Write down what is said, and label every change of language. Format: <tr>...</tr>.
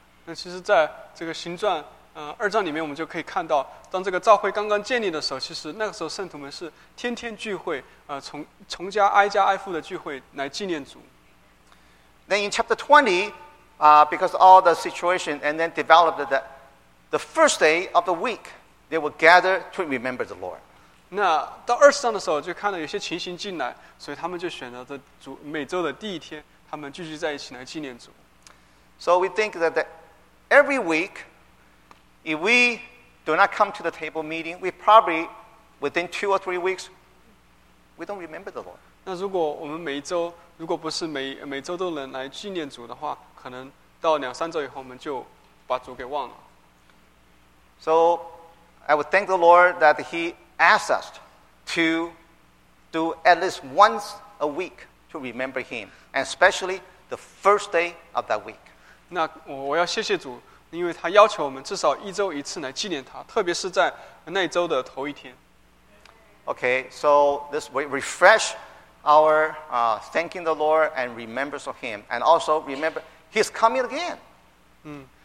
<zh>那其实在这个行传二章里面我们就可以看到，当这个召会刚刚建立的时候，其实那个时候圣徒们是天天聚会，从家挨家挨户的聚会来纪念主。</zh> <en>Then in chapter 20, because all the situation and then developed that the first day of the week, they were gathered to remember the Lord.</en> <zh>那到二十章的时候就看到有些情形进来，所以他们就选择主每周的第一天，他们聚集在一起来纪念主。</zh> <en>So we think that every week,If we do not come to the table meeting, we probably, within 2 or 3 weeks, we don't remember the Lord.</en> <zh>那如果我们每一周，如果不是每周都能来纪念主的话，可能到两三周以后，我们就把主给忘了。</zh> <en>So, I would thank the Lord that he asked us to do at least once a week to remember him, and especially the first day of that week.</en> <zh>那我要谢谢主。因为他要求我们至少一周一次来纪念他，特别是在那周的头一天。</zh> <en>Okay, so this we refresh our thanking the Lord and remembrance of Him, and also remember He's coming again.</en>